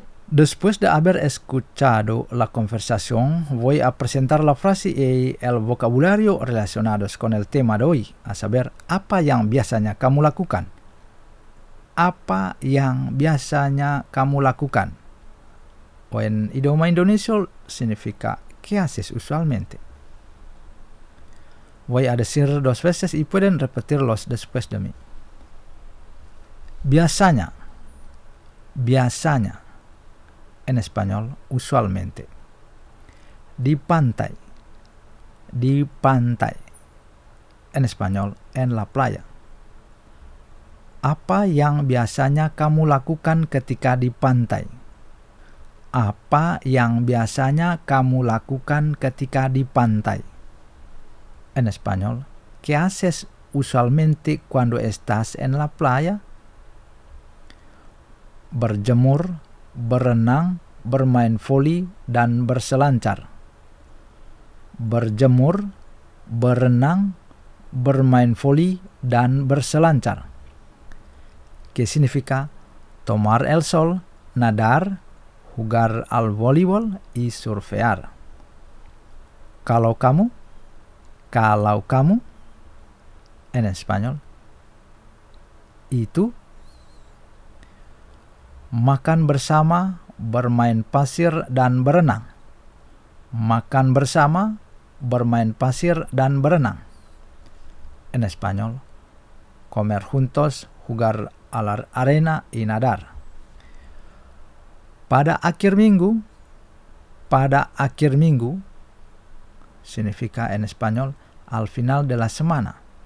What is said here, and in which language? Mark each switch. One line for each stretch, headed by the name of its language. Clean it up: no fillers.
Spanish: Después de haber escuchado la conversación, voy a presentar la frase y el vocabulario relacionados con el tema de hoy, a saber,
Indonesian: apa yang biasanya kamu lakukan. Apa yang biasanya kamu lakukan.
Spanish: O en idioma indonesio significa, ¿qué haces usualmente? Voy a decir dos veces y pueden repetirlos después de mí.
Indonesian: Biasanya. Biasanya.
Spanish: En español, usualmente.
Indonesian: Di pantai. Di pantai.
Spanish: En español, en la playa.
Indonesian: Apa yang biasanya kamu lakukan ketika di pantai? Apa yang biasanya kamu lakukan ketika di pantai?
Spanish: En español, ¿qué haces usualmente cuando estás en la playa?
Indonesian: Berjemur, berenang, bermain voli, dan berselancar. Berjemur, berenang, bermain voli, dan berselancar.
Spanish: ¿Qué significa? Tomar el sol, nadar, jugar al voleibol, y surfear.
Indonesian: ¿Kalau kamu? Kalau kamu,
Spanish: en español, y tú,
Indonesian: makan bersama, bermain pasir, dan berenang. Makan bersama, bermain pasir, dan berenang.
Spanish: en español. Comer juntos, jugar a la arena y nadar.
Indonesian: Pada akhir minggu,
Spanish: significa en español al final de la semana.